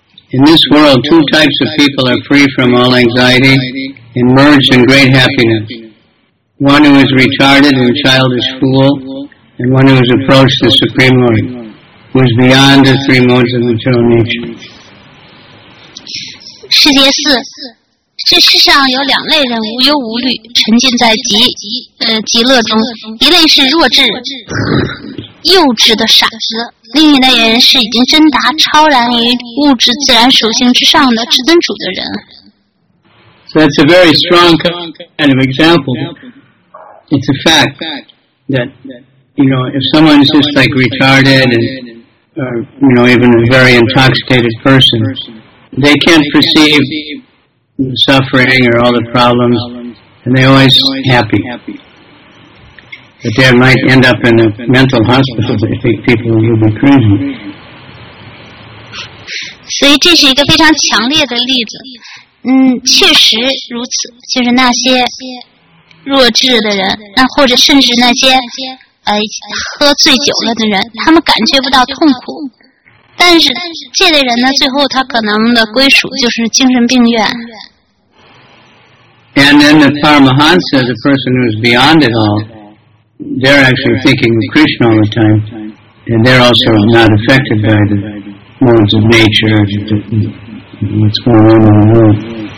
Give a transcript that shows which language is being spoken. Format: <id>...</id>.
<en>In this world, two types of people are free from all anxiety and merged in great happiness. One who is retarded and childish fool, and one who has approached the Supreme Lord, who is beyond the three modes of material nature.</en> <zh>世界四这世上有两类人无忧无虑，沉浸在极乐中，一类是弱智幼稚的傻子，另一类人是已经真达超然于物质自然属性之上的至尊主的人。</zh> <en>So that's a very strong kind of example. It's a fact that, you know, if someone is just like retarded and, you know, even a very intoxicated person, they can't perceive the suffering or all the problems, and they're always happy. But they might end up in a mental hospital if people will be crazy.</en> <zh>所以这是一个非常强烈的例子。嗯，确实如此，就是那些弱智的人，那或者甚至那些喝醉酒了的人，他们感觉不到痛苦。但是这类人呢，最后他可能的归属就是精神病院。</zh> <en>And then the Paramahansa, the person who's beyond it all,they're actually thinking of Krishna all the time, and they're also not affected by the modes of nature, what's going on in the world.</en>